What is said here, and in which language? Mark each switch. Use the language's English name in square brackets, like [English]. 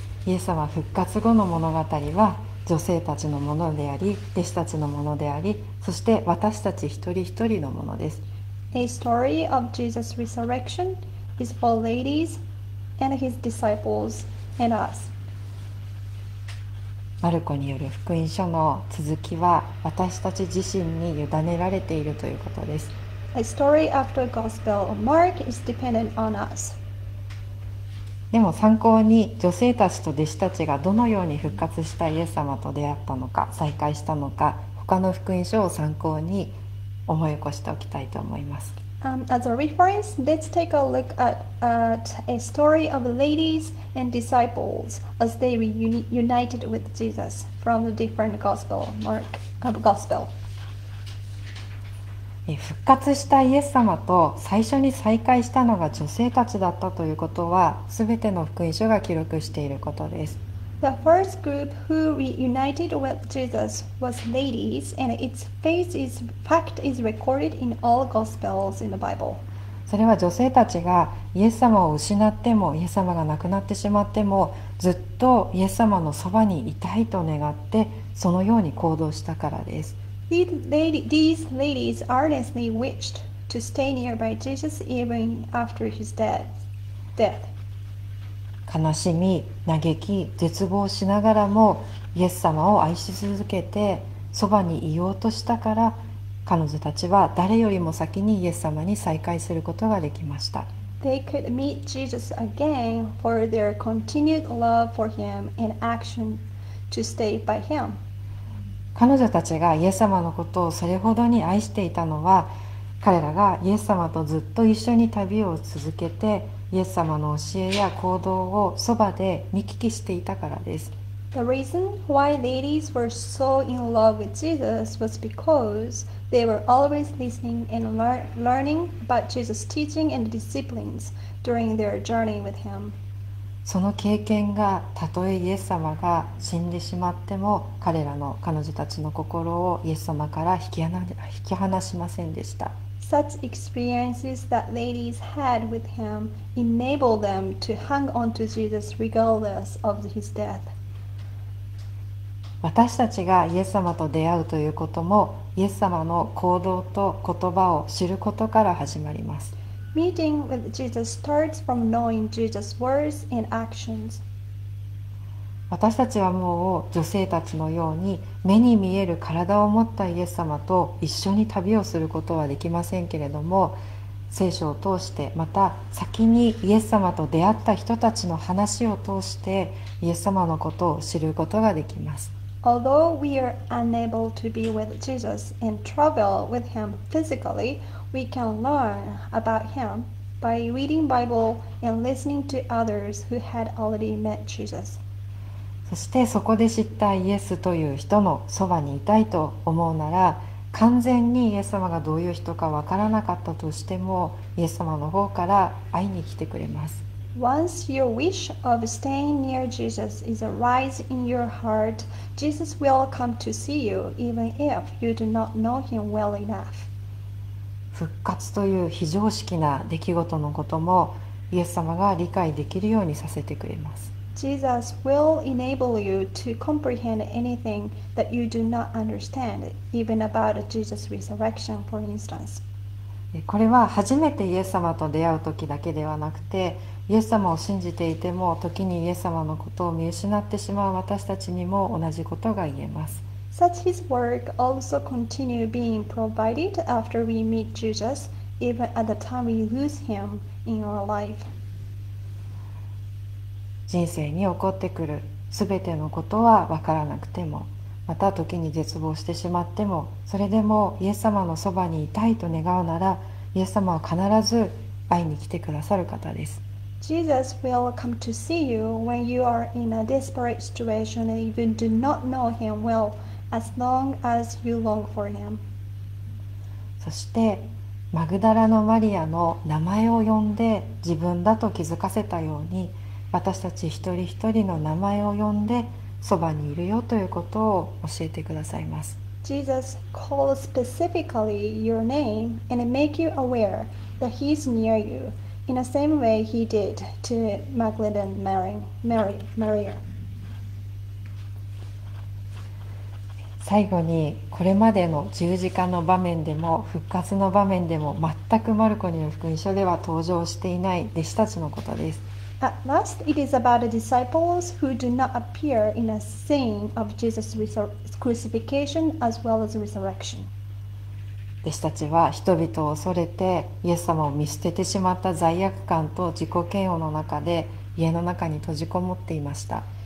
[Japanese] イエス様復活後の物語は女性たちのものであり、弟子たちのものであり、そして私たち一人一人のものです。 [English] A story of Jesus' resurrection is for ladies and his disciples and us. [Japanese] マルコによる福音書の続きは私たち自身に委ねられているということです。 [English] A story after Gospel of Mark is dependent on us. [Japanese] でも参考に女性たちと弟子たちがどのように復活したイエス様と出会ったのか再会したのか他の福音書を参考に思い起こしておきたいと思います。 [English] As a reference, let's take a look at a story of ladies and disciples as they reunited with Jesus from the different gospel, Mark gospel. [Japanese] 復活したイエス様と最初に再会したのが女性たちだったということは、すべての福音書が記録していることです。 [English] The first group who reunited with Jesus was ladies, and its fact is recorded in all gospels in the Bible. [Japanese] それは女性たちがイエス様を失っても、イエス様が亡くなってしまっても、ずっとイエス様のそばにいたいと願って、そのように行動したからです。 [English] These ladies earnestly wished to stay nearby Jesus even after his death. [Japanese] 悲しみ、嘆き、絶望しながらもイエス様を愛し続けてそばにいようとしたから、彼女たちは誰よりも先にイエス様に再会することができました。 [English] They could meet Jesus again for their continued love for him and action to stay by him. [Japanese] 彼女たちがイエス様のことをそれほどに愛していたのは、彼らがイエス様とずっと一緒に旅を続けて、イエス様の教えや行動をそばで見聞きしていたからです。 [English] The reason why ladies were so in love with Jesus was because they were always listening and learning about Jesus' teaching and disciplines during their journey with him. [Japanese] その経験がたとえイエス様が死んでしまっても、彼女たちの心をイエス様から引き離しませんでした。 [English] Such experiences that ladies had with him enabled them to hang on to Jesus regardless of his death. [Japanese] 私たちがイエス様と出会うということも、イエス様の行動と言葉を知ることから始まります。 [English] Meeting with Jesus starts from knowing Jesus' words and actions. [Japanese] 私たちはもう女性たちのように、目に見える体を持ったイエス様と一緒に旅をすることはできませんけれども、聖書を通して、また先にイエス様と出会った人たちの話を通してイエス様のことを知ることができます。 [English] Although we are unable to be with Jesus and travel with him physically, we can learn about him by reading Bible and listening to others who had already met Jesus. [Japanese] そして、そこで知ったイエスという人のそばにいたいと思うなら、完全にイエス様がどういう人か分からなかったとしても、イエス様の方から会いに来てくれます。 [English] Once your wish of staying near Jesus is arise in your heart, Jesus will come to see you even if you do not know him well enough. [Japanese] 復活という非常識な出来事のこともイエス様が理解できるようにさせてくれます。 [English] Jesus will enable you to comprehend anything that you do not understand, even about Jesus' resurrection, for instance. [Japanese] これは初めてイエス様と出会う時だけではなくて、イエス様を信じていても、時にイエス様のことを見失ってしまう私たちにも同じことが言えます。 [English] Such his work also continue being provided after we meet Jesus, even at the time we lose him in our life. [Japanese] 人生に起こってくるすべてのことは分からなくても、また時に絶望してしまっても、それでもイエス様のそばにいたいと願うなら、イエス様は必ず会いに来てくださる方です。 [English] Jesus will come to see you when you are in a desperate situation and you do not know him well, as long as you long for him. [Japanese] そして、マグダラのマリアの名前を呼んで自分だと気づかせたように、私たち一人一人の名前を呼んでそばにいるよということを教えてくださいます。 [English] Jesus calls specifically your name and make you aware that he's near you, in the same way he did to Magdalene Maria. [Japanese] 最後に、これまでの十字架の場面でも復活の場面でも、全くマルコによる福音書では登場していない弟子たちのことです。 [English] At last, it is about the disciples who do not appear in a scene of Jesus' crucifixion as well as resurrection. [Japanese] 弟子たちは人々を恐れて、イエス様を見捨ててしまった罪悪感と自己嫌悪の中で、家の中に閉じこもっていました。